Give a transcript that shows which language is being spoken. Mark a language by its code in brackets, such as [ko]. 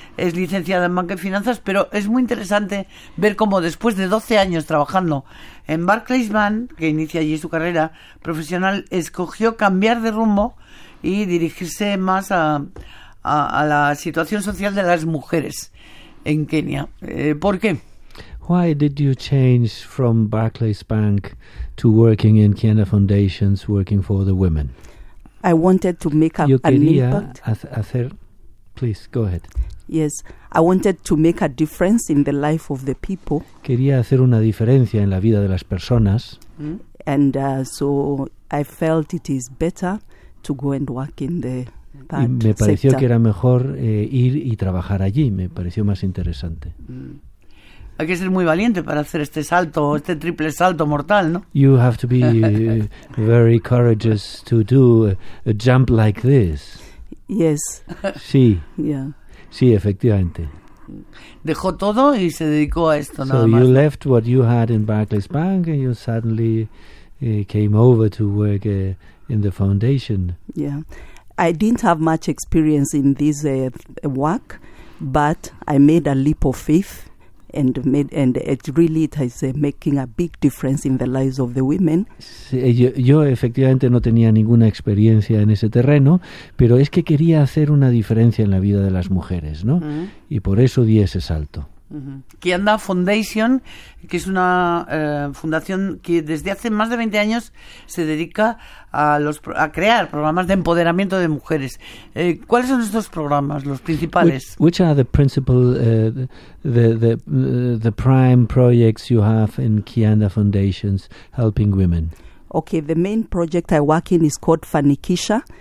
[es] Es licenciada en banca y finanzas, pero es muy interesante ver cómo después de 12 años trabajando en Barclays Bank, que inicia allí su carrera profesional, escogió cambiar de rumbo y dirigirse más a la situación social de las mujeres en Kenia. ¿Por qué? [en] Why did you change from Barclays Bank to working in Kenya Foundations, working for the women? I wanted to make an impact. [es] Yo quería hacer, [en] please, go ahead. Yes, I wanted to make a difference in the life of the people. [es] Quería hacer una diferencia en la vida de las personas. Mm. [en] And so I felt it is better to go and work in the that [es] y me pareció [en] sector. [es] Que era mejor ir y trabajar allí, me pareció más interesante. Mm. Hay que ser muy valiente para hacer este salto, este triple salto mortal, ¿no? [en] You have to be very courageous to do a jump like this. Yes. [es] Sí. [en] Yeah. [es] Sí, efectivamente. Dejó todo y se dedicó a esto, nada más. [en] So you left what you had in Barclays Bank and you suddenly came over to work in the foundation. Yeah. I didn't have much experience in this work, but I made a leap of faith and it really is making a big difference in the lives of the women. [es] Sí, yo efectivamente no tenía ninguna experiencia en ese terreno, pero es que quería hacer una diferencia en la vida de las mujeres, ¿no? Uh-huh. Y por eso di ese salto. Uh-huh. Kianda Foundation, que es una fundación que desde hace más de 20 años se dedica a crear programas de empoderamiento de mujeres. ¿Cuáles son estos programas, los principales? [en] Which are the principal, the prime projects you have in Kianda Foundations helping women? Okay, the main project I work in is called Fanikisha.